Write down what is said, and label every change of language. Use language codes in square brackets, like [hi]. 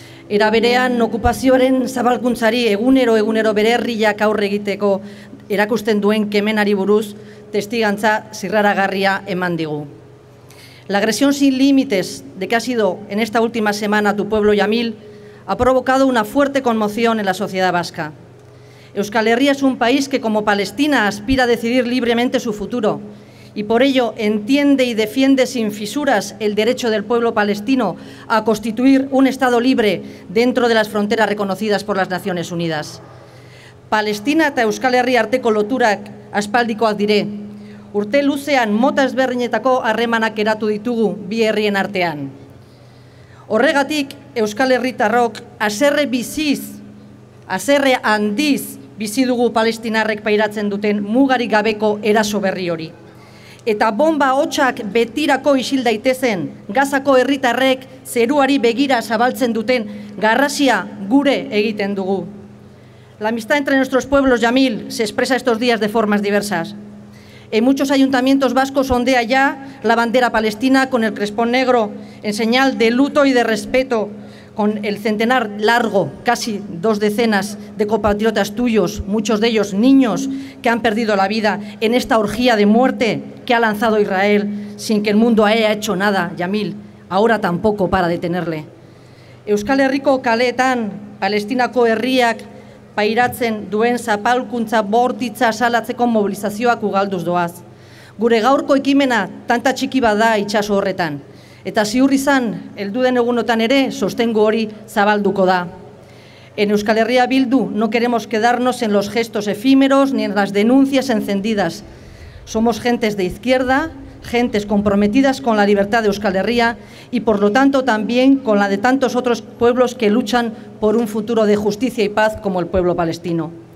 [eu] Era berean okupazioaren zabalkuntzari egunero bere herriak aurre egiteko erakusten duen kemenari buruz testigantza zirraragarria eman digu. [es] La agresión sin límites de que ha sido en esta última semana tu pueblo Yamil ha provocado una fuerte conmoción en la sociedad vasca. Euskal Herria es un país que como Palestina aspira a decidir libremente su futuro y por ello entiende y defiende sin fisuras el derecho del pueblo palestino a constituir un Estado libre dentro de las fronteras reconocidas por las Naciones Unidas. [eu] Palestina eta Euskal Herria arteko loturak aspaldikoak dire. Urte luzean mota ezberdinetako harremanak eratu ditugu bi herrien artean. Horregatik, Euskal Herritarrok haserre biziz, haserre handiz bizi dugu palestinarrek pairatzen duten mugarik gabeko eraso berri hori. Eta bomba hotsak betirako isil daitezen Gazako herritarrek zeruari begira zabaltzen duten garrasia gure egiten dugu. [es] La amistad entre nuestros pueblos, Yamil, se expresa estos días de formas diversas. En muchos ayuntamientos vascos ondea ya la bandera palestina con el crespón negro, en señal de luto y de respeto, con el centenar largo, casi dos decenas de compatriotas tuyos, muchos de ellos niños, que han perdido la vida en esta orgía de muerte que ha lanzado Israel sin que el mundo haya hecho nada, Yamil, ahora tampoco para detenerle. [eu] Euskal Herriko kaleetan, palestinako herriak, pairatzen duen zapalkuntza bortitza salatzeko mobilizazioak ugalduz doaz. Gure gaurko ekimena tanta txiki bada itsaso horretan. Eta ziur izan, heldu den egunotan ere, sostengo hori zabalduko da. [es] En Euskal Herria Bildu no queremos quedarnos en los gestos efímeros ni en las denuncias encendidas. Somos gentes de izquierda, gentes comprometidas con la libertad de Euskal Herria y por lo tanto también con la de tantos otros pueblos que luchan por un futuro de justicia y paz como el pueblo palestino.